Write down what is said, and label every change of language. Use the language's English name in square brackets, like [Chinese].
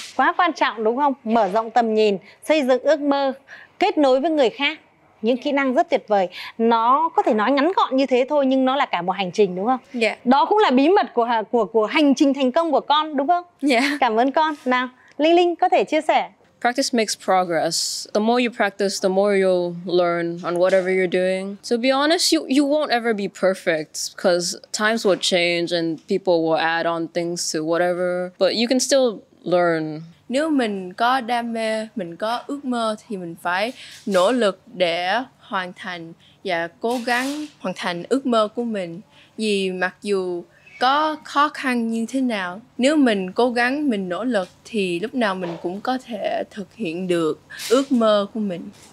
[Vietnamese] Quá quan trọng đúng không? Mở rộng tầm nhìn, xây dựng ước mơ, kết nối với người khác. Những kỹ năng rất tuyệt vời. Nó có thể nói ngắn gọn như thế thôi, nhưng nó là cả một hành trình đúng không? Dạ. Yeah. Đó cũng là bí mật của hành trình thành công của con đúng không? Dạ. Yeah. Cảm ơn con. Nào, Linh Linh có thể chia sẻ. [English] Practice makes progress. The more you practice, the more you'll learn on whatever you're doing. So be honest, you won't ever be perfect because times will change and people will add on things to whatever. But you can still learn. [Vietnamese] nếu mình có đam mê, mình có ước mơ thì mình phải nỗ lực để hoàn thành và cố gắng hoàn thành ước mơ của mình. Vì mặc dù có khó khăn như thế nào, nếu mình cố gắng, mình nỗ lực thì lúc nào mình cũng có thể thực hiện được ước mơ của mình.